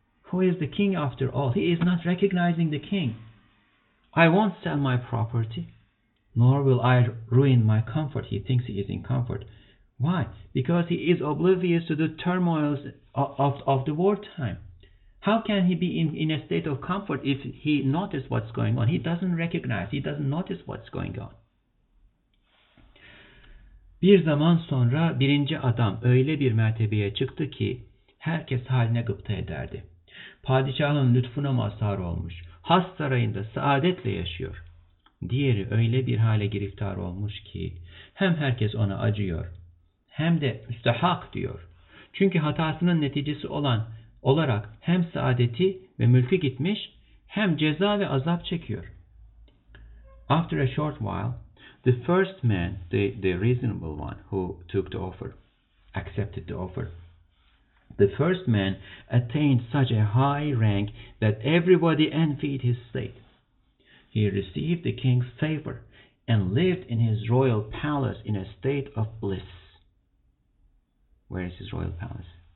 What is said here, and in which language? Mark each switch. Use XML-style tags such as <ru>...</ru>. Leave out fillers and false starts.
<en>Who is the king after all? He is not recognizing the king. I won't sell my property, nor will I ruin my comfort. He thinks he is in comfort. Why? Because he is oblivious to the turmoils of the wartime. How can he be in a state of comfort if he notices what's going on? He doesn't recognize. He doesn't notice what's going on.</en> <tr>Bir zaman sonra birinci adam öyle bir mertebeye çıktı ki herkes haline gıpta ederdi. Padişahın lütfuna mazhar olmuş, has sarayında saadetle yaşıyor. Diğeri öyle bir hale giriftar olmuş ki hem herkes ona acıyor, hem de müstehak diyor. Çünkü hatasının neticesi olarak hem saadeti ve mülkü gitmiş, hem ceza ve azap çekiyor.</tr> <en>After a short while, the first man, the reasonable one who took the offer, accepted the offer, the first man attained such a high rank that everybody envied his state. He received the king's favor and lived in his royal palace in a state of bliss. Where is his royal palace?</en>